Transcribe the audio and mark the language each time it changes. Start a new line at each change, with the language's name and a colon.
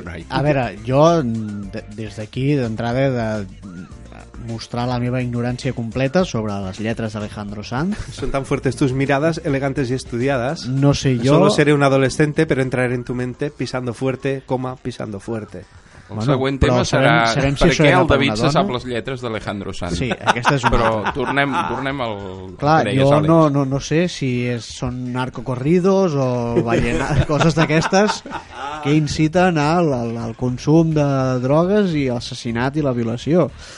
Catalan: A veure, jo des d'aquí, d'entrada, de mostrar la meva ignorància completa sobre les lletres d'Alejandro Sanz.
Spanish: Són tan fuertes tus miradas, elegantes y estudiadas. No sé yo. Solo seré un adolescente, pero entraré en tu mente pisando fuerte, coma, pisando fuerte.
Catalan: El següent tema serà per què el David se sap les lletres d'Alejandro Sanz. Sí, aquesta és una. Però tornem al... Clar, jo no sé si són narcocorridos o coses d'aquestes que inciten al consum de drogues i l'assassinat i la violació.